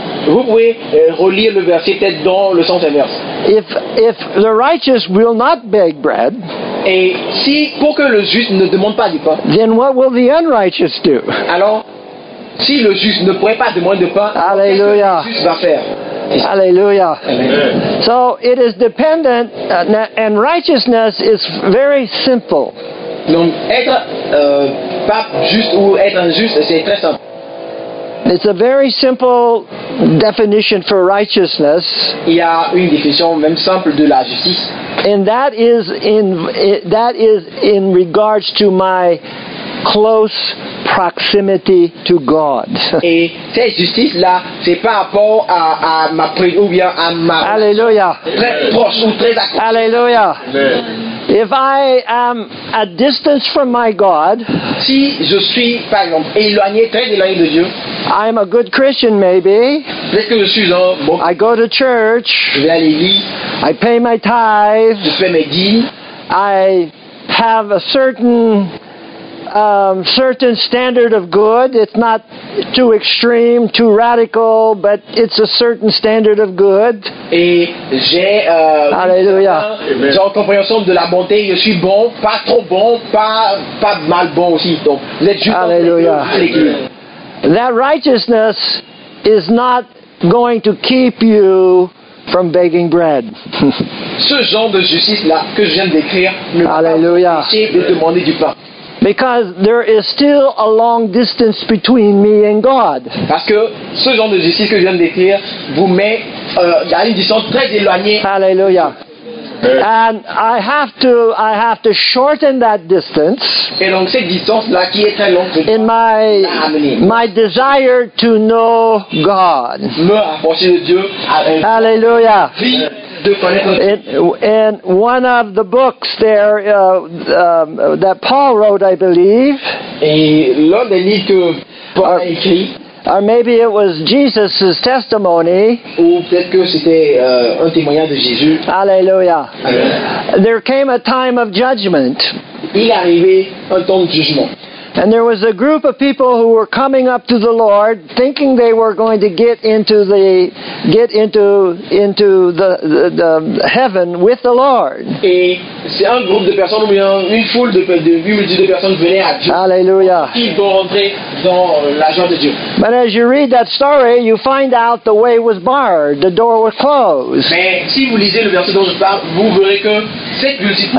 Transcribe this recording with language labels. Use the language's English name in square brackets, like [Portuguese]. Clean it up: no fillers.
[French] Vous pouvez relire le verset peut-être dans le sens inverse. [English] If the righteous will not beg bread, [French] et si pour que le juste ne demande pas du pain, [English] then what will the unrighteous do? [French] Alors, si le juste ne pourrait pas demander du pain, alléluia, qu'est-ce que le juste va faire? Alléluia. Amen. [English] So it is dependent, and righteousness is very simple. [French] Donc être pas juste ou être injuste, c'est très simple. [English] It's a very simple definition for righteousness. [French] Il y a une définition même simple de la justice. [English] And that is in regards to my close proximity to God. [French] Et cette justice là, c'est par rapport à ma ou bien à ma. Alléluia. Très proche ou très accroché. Alléluia. Amen. [English] If I am a distance from my God, [French] si je suis par exemple éloigné, très éloigné de Dieu, [English] I'm a good Christian, maybe. [French] Peut-être que je suis un bon. [English] I go to church. [French] Je vais à l'église. [English] I pay my tithes. [French] Je fais mes dîmes. [English] I have a certain standard of good. It's not too extreme, too radical, but it's a certain standard of good. [French] Et j'ai alléluia. J'ai une compréhension de la bonté. Je suis bon, pas trop bon, pas mal bon aussi. Donc, [English] let's [French] juste. Alléluia. [English] That righteousness is not going to keep you from begging bread. [French] Ce genre de justice là que je viens de décrire ne va pas vous empêcher de demander du pain. [English] Because there is still a long distance between me and God. [French] Parce que ce genre de justice que je viens de décrire vous met à une distance très éloignée. [English] Alléluia. And I have to shorten that distance. [French] Et donc cette distance là qui est très longue. [English] In my desire to know God. [French] Me rapprocher de Dieu. Alléluia. De connaître Dieu. [English] In one of the books there that Paul wrote, I believe. [French] Et l'un des livres que Paul a écrit. [English] Or maybe it was Jesus' testimony. [French] Ou peut-être que c'était un témoignage de Jésus. Alléluia. Amen. [English] There came a time of judgment. [French] Il arrivait un temps de jugement. [English] And there was a group of people who were coming up to the Lord, thinking they were going to get into heaven with the Lord. [French] Et c'est un groupe de personnes, ou bien une foule de personnes venaient à Dieu. Alléluia. Qui vont rentrer dans la joie de Dieu. [English] But as you read that story, you find out the way was barred, the door was closed. [French] Mais si vous lisez le verset dont je parle, vous verrez que cette multitude.